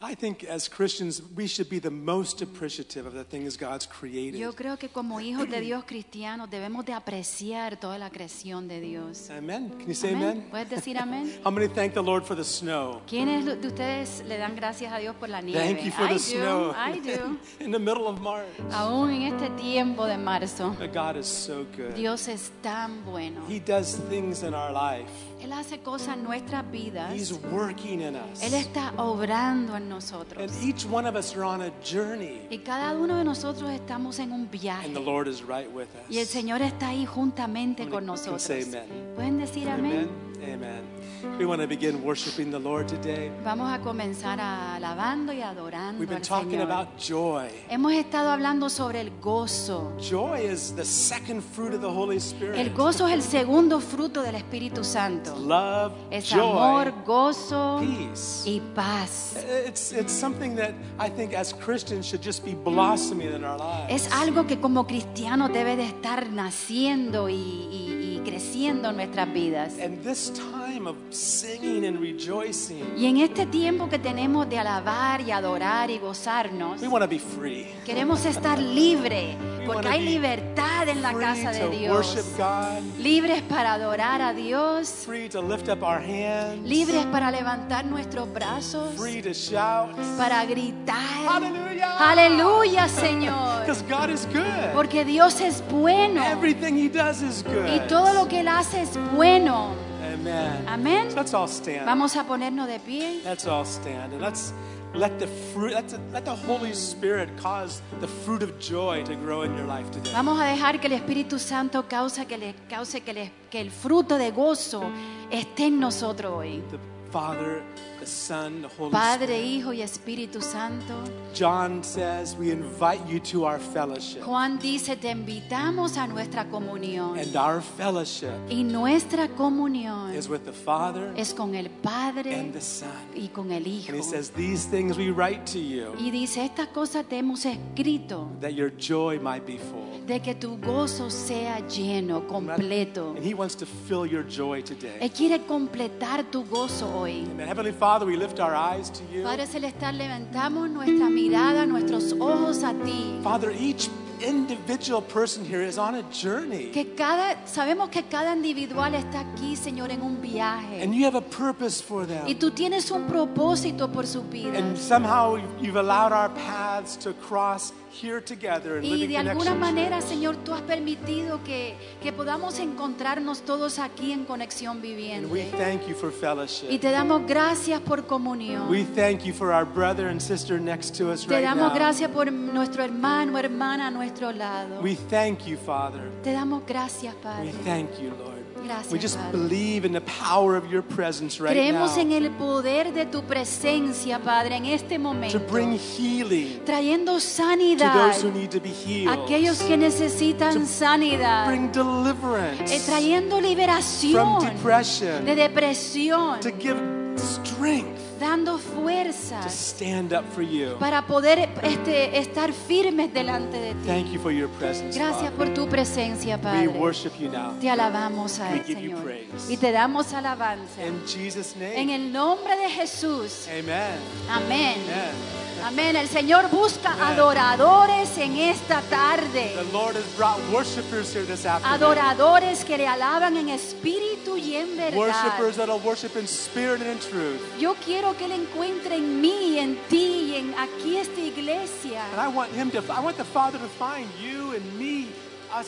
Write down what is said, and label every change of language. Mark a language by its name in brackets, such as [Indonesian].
[English] I think as Christians we should be the most appreciative of the things God's created. [Spanish] Yo creo que como hijos de Dios cristianos debemos de apreciar toda la creación de Dios. [English] Amen. Can you say amen? [Spanish] ¿Puedes decir amén? [English] How many thank the Lord for the snow? [Spanish] ¿Quiénes de ustedes le dan gracias a Dios por la nieve? [English] Thank you for the snow. I do. In the middle of March. [Spanish] Aún en este tiempo de marzo. [English] But God is so good. [Spanish] Dios es tan bueno. [English] He does things in our life. [Spanish] Él hace cosas en nuestras vidas. [English] He's working in us. [Spanish] Él está obrando en nosotros. [English] And each one of us are on a journey. [Spanish] Y cada uno de nosotros estamos en un viaje. [English] And the Lord is right with us. [Spanish] Y el Señor está ahí juntamente con nosotros. [English] Can say amen. [Spanish] ¿Pueden decir amén? [English] Amen. We want to begin worshiping the Lord today. [Spanish] Vamos a comenzar alabando y adorando. [English] We've been talking about joy. [Spanish] Hemos estado hablando sobre el gozo. [English] Joy is the second fruit of the Holy Spirit. [Spanish] El gozo es el segundo fruto del Espíritu Santo. [English] Love, [Spanish] es amor, gozo, [English] peace. [Spanish] Y paz. [English] It's something that I think as Christians should just be blossoming in our lives. [Spanish] Es algo que como cristiano debe de estar naciendo y creciendo en nuestras vidas. [English] And this time of singing and rejoicing. [Spanish] Y en este tiempo que tenemos de alabar y adorar y gozarnos. [English] We want to be free. [Spanish] Queremos estar libre porque hay libertad en la casa de Dios. [English] Worship God. [Spanish] Libres para adorar a Dios. [English] Free to lift up our hands. [Spanish] Libres para levantar nuestros brazos. [English] Free to shout. [Spanish] Para gritar. [English] Hallelujah. [Spanish] Aleluya, Señor. [English] Because God is good. [Spanish] Porque Dios es bueno. [English] Everything he does is good. [Spanish] Y todo lo que él hace es bueno. [English] Amen. So let's all stand. [Spanish] Vamos a ponernos de pie. [English] Let's all stand and let's let the fruit, let the Holy Spirit cause the fruit of joy to grow in your life today. [Spanish] Vamos a dejar que el Espíritu Santo cause que el fruto de gozo esté en nosotros hoy. [English] The Father, the Son, the Holy [Spanish] Padre, [English] Spirit. [Spanish] Hijo y Espíritu Santo. [English] John says, "We invite you to our fellowship." [Spanish] Juan dice, "Te invitamos a nuestra comunión." [English] And our fellowship. [Spanish] Y nuestra comunión. [English] Is with the Father. [Spanish] Es con el Padre. [English] And the Son. [Spanish] Y con el Hijo. [English] And he says, "These things we write to you." [Spanish] Y dice, estas cosas te hemos escrito. [English] That your joy might be full. [Spanish] De que tu gozo sea lleno, completo. [English] And he wants to fill your joy today. [Spanish] Él quiere completar tu gozo hoy. [English] Amen. Heavenly Father, we lift our eyes to you. [Spanish] Padre celestial, levantamos nuestra mirada, nuestros ojos a ti. [English] Father, each individual person here is on a journey. [Spanish] Que cada sabemos que cada individual está aquí, Señor, en un viaje. [English] And you have a purpose for them. [Spanish] Y tú tienes un propósito por su vida. [English] And somehow you've allowed our paths to cross here together in Living [Spanish] Y de alguna manera, Señor, tú has permitido que podamos encontrarnos todos aquí en Conexión Viviente. [English] And we thank you for fellowship. [Spanish] Y te damos gracias por comunión. [English] We thank you for our brother and sister next to us right now. [Spanish] Te damos gracias por nuestro hermano o hermana a nuestro lado. [English] We thank you, Father. Te damos gracias, Padre. We thank you, Lord. [Spanish] Gracias, [English] we just [Spanish] Padre. [English] Believe in the power of your presence right [Spanish] Creemos [English] now. [Spanish] En el poder de tu presencia, Padre, en este momento. [English] To bring healing. [Spanish] Trayendo sanidad. [English] To those who need to be healed. [Spanish] Aquellos que necesitan [English] to [Spanish] sanidad. [English] Bring deliverance. [Spanish] Trayendo liberación. [English] From depression. [Spanish] De depresión. [English] To give strength. [Spanish] Dando fuerza [English] to stand up for you. [Spanish] Para poder estar firmes delante de ti. [English] Thank you for your presence, [Spanish] Gracias Por tu presencia, Padre. [English] We worship you now. [Spanish] Te alabamos a [English] We [Spanish] él, [English] give [Spanish] Señor. [English] You praise. [Spanish] Y te damos alabanza. [English] In Jesus name. [Spanish] En el nombre de Jesús. [English] Amen. [Spanish] Amén. [English] Amen. [Spanish] Amén. El Señor busca Amen. Adoradores en esta tarde. [English] The Lord has brought worshipers here this afternoon. [Spanish] Adoradores que le alaban en espíritu y en verdad. [English] Worshipers that will worship in spirit and in truth. [Spanish] Yo quiero que él encuentre en mí, en ti, en aquí esta iglesia. [English] And I want the Father to find you and me, us